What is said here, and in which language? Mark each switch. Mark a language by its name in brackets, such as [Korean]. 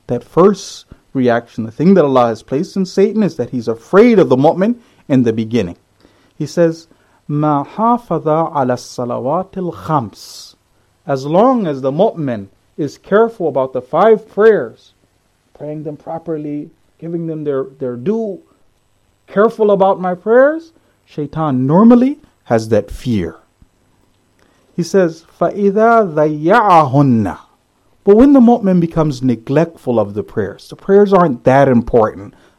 [English] That first reaction, the thing that Allah has placed in Satan is that he's afraid of the mu'min in the beginning. He says, [Arabic] ما حافظ على الصلوات الخمس. [English] As long as the mu'min is careful about the five prayers, praying them properly, giving them their due, careful about my prayers, shaitan normally has that fear. He says, [Arabic] فَإِذَا ذَيَّعَهُنَّ. [English] But when the mu'min becomes neglectful of the prayers, the prayers aren't that important.